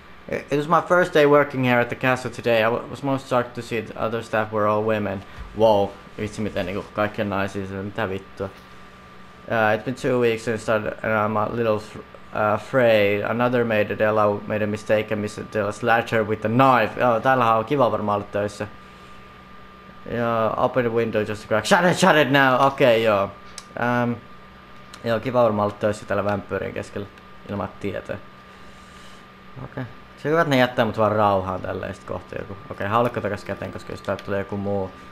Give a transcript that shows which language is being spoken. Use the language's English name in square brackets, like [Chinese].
[English] It was my first day working here at the castle today. I was most shocked to see that other staff were all women. [Finnish] Wow, vitsi miten niinku kaikkia naisia, mitä vittua. [English] It's been 2 weeks since I started and I'm a little afraid. Another maid, Adela, made a mistake and missed Adela's ladder with a knife. [Finnish] Joo, täällähän on kiva varmaan olla töissä. [English] Open the window just a crack. Shut it now! [Finnish] Okei, okay, joo. Joo, kiva varmaan olla töissä täällä vampyyrien keskellä ilman tietoa. Okei. Okay. Se on hyvä, että ne jättää mut vaan rauhaan tälleen sit kohta joku. Okei, okay, haulikko takas käteen, koska jos täältä tulee joku muu.